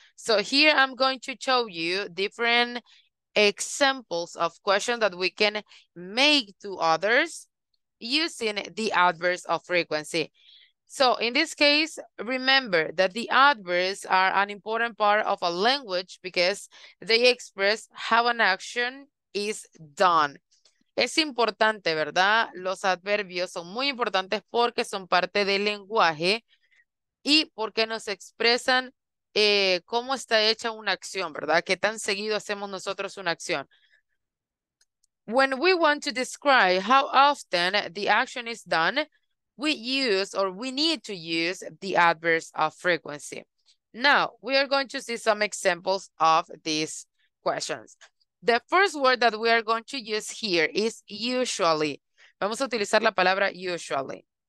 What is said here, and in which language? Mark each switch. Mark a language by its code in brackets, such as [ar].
[en] So here I'm going to show you different examples of questions that we can make to others using the adverbs of frequency. So in this case, remember that the adverbs are an important part of a language because they express how an action is done. [es] Es importante, ¿verdad? Los adverbios son muy importantes porque son parte del lenguaje y porque nos expresan cómo está hecha una acción, ¿verdad? ¿Qué tan seguido hacemos nosotros una acción? [en] When we want to describe how often the action is done, we use or we need to use the adverbs of frequency. Now, we are going to see some examples of these questions. The first word that we are going to use here is usually. [es] Vamos a utilizar la palabra usually.